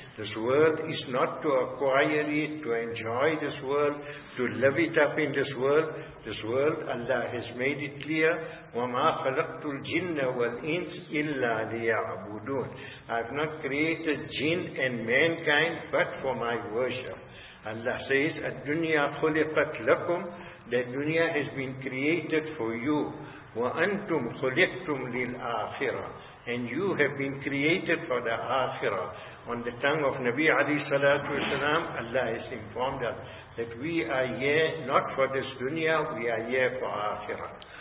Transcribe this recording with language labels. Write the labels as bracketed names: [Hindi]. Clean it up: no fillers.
[English] This world is not to acquire it, to enjoy this world, to live it up in this world. This world, Allah has made it clear, [Arabic] وَمَا خَلَقْتُ الْجِنَّ وَالْإِنسِ إِلَّا لِيَعْبُدُونَ. [English] I have not created jinn and mankind but for my worship. Allah says, [Arabic] الدُّنْيَا خُلِقَتْ لَكُمْ. [English] The dunya has been created for you. [Arabic] وَأَنْتُمْ خُلِقْتُمْ لِلْآخِرَةِ. [English] And you have been created for the Akhirah. On the tongue of Nabi alayhi salatu wasalam, Allah has informed us that we are here not for this dunya, we are here for Akhirah.